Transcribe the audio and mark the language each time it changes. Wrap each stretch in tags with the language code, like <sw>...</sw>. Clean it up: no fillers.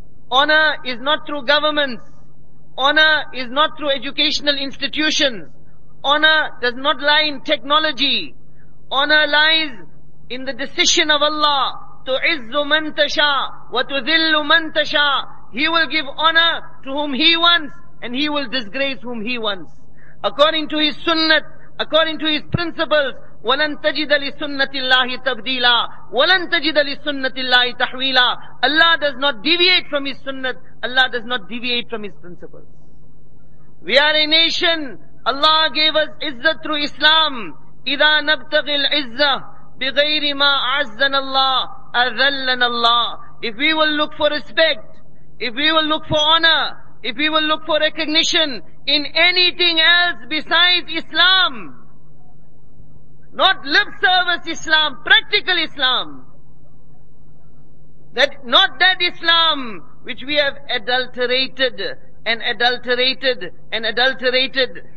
<en>Honor is not through governments. Honor is not through educational institutions. Honor does not lie in technology. Honor lies in the decision of Allah,</en> <ar>تُعِزُّ مَنْ تَشَاءُ وَتُذِلُّ مَنْ تَشَاءُ.</ar> <en>He will give honor to whom he wants, and he will disgrace whom he wants. According to his sunnat, according to his principles,</en> <ar>وَلَنْ تَجِدَ لِسُنَّةِ اللَّهِ تَبْدِيلًا وَلَنْ تَجِدَ لِسُنَّةِ اللَّهِ تَحْوِيلًا.</ar> <en>Allah does not deviate from his sunnat. Allah does not deviate from his principles. We are a nation. Allah gave us izzat through Islam.</en> <ar>إِذَا نَبْتَغِ الْعِزَّةِ بِغَيْرِ مَا عَزَّنَ اللَّهِ أَذَلَّنَ اللَّهِ.</ar> <en>If we will look for respect, if we will look for honor, if we will look for recognition in anything else besides Islam, not lip service Islam, practical Islam, that not that Islam which we have adulterated and adulterated and adulterated.</en>